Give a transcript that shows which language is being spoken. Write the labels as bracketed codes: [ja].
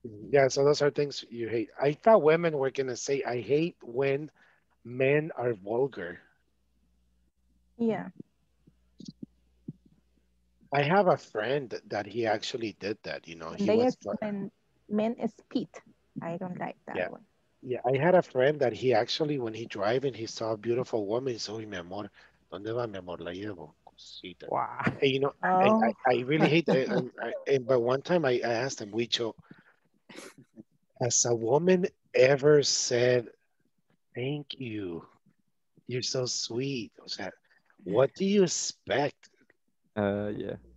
[en] Yeah, so those are things you hate. I thought women were going to say, I hate when men are vulgar. Yeah. I have a friend that he actually did that, you know. He was men speed. I don't like that one. Yeah, I had a friend that he actually, when he driving, he saw a beautiful woman. [es] So, mi amor, ¿dónde va mi amor? La llevo. Cosita. [en] Wow. And, you know, I really hate that. But one time I asked him, Wicho, has a woman ever said, thank you, you're so sweet? [es] O sea, [en] what do you expect? Yeah.